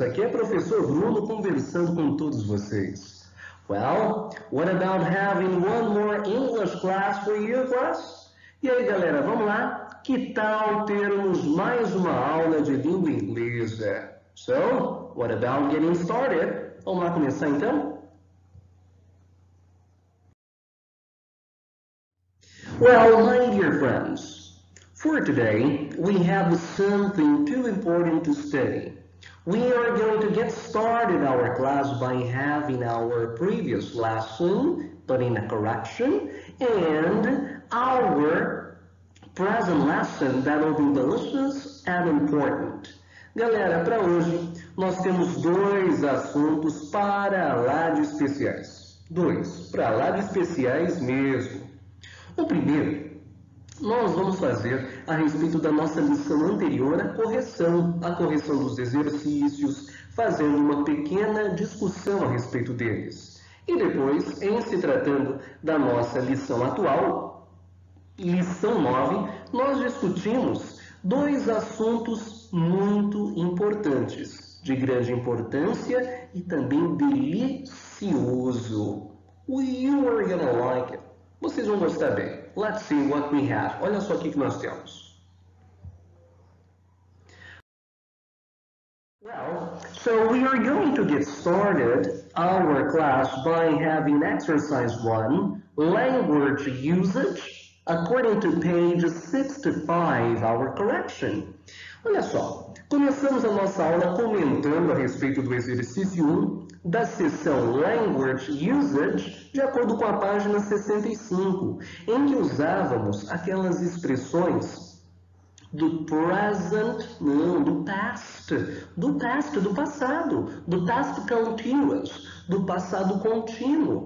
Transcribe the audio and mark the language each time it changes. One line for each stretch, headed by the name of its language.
Portuguese: Aqui é Professor Bruno conversando com todos vocês.
English: Well, what about having one more English class for you, class?
Portuguese: E aí, galera, vamos lá? Que tal termos mais uma aula de língua inglesa?
English: So, what about getting started?
Portuguese: Vamos lá começar então?
English: Well, my dear friends, for today we have something too important to study. We are going to get started our class by having our previous lesson, but in a correction, and our present lesson that will be delicious and important.
Portuguese: Galera, para hoje nós temos dois assuntos para lá de especiais. Dois, para lá de especiais mesmo. O primeiro, nós vamos fazer a respeito da nossa lição anterior a correção dos exercícios, fazendo uma pequena discussão a respeito deles. E depois, em se tratando da nossa lição atual, lição 9, nós discutimos dois assuntos muito importantes, de grande importância e também delicioso.
English: You are gonna like it.
Portuguese: Vocês vão gostar bem.
English: Let's see what we have.
Portuguese: Olha só o que nós temos.
English: Well, so we are going to get started our class by having exercise 1, language usage, according to page 65, our correction.
Portuguese: Olha só, começamos a nossa aula comentando a respeito do exercício 1 da seção Language Usage, de acordo com a página 65, em que usávamos aquelas expressões do present, não, do past, do passado, do past continuous, do passado contínuo.